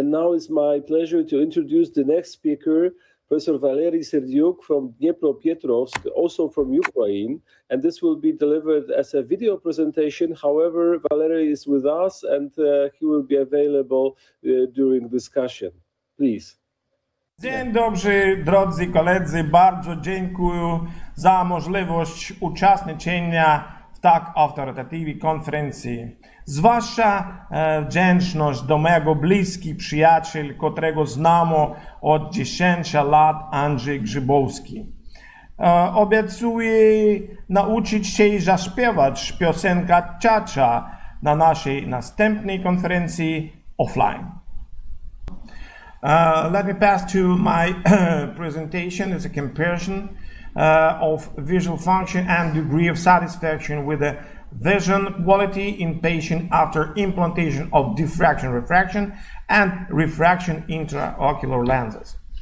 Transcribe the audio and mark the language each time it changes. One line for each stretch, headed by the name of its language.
English: And now it's my pleasure to introduce the next speaker, Professor Valeriy Serdiuk from Dniepropetrovsk, also from Ukraine. And this will be delivered as a video presentation. However, Valeriy is with us and he will be available during discussion. Please.
Polish: Dzień dobry, drodzy koledzy, bardzo dziękuję za możliwość uczestniczenia w tak autorytatywnej konferencji. Zwłaszcza wdzięczność do mojego bliskiego przyjaciela, którego znamy od 10 lat, Andrzej Grzybowski. Obiecuję nauczyć się i zaśpiewać piosenkę Czacza na naszej następnej konferencji offline.
English: Let me pass to my presentation as a comparison of visual function and degree of satisfaction with the vision quality in patient after implantation of diffraction-refraction and refraction intraocular lenses.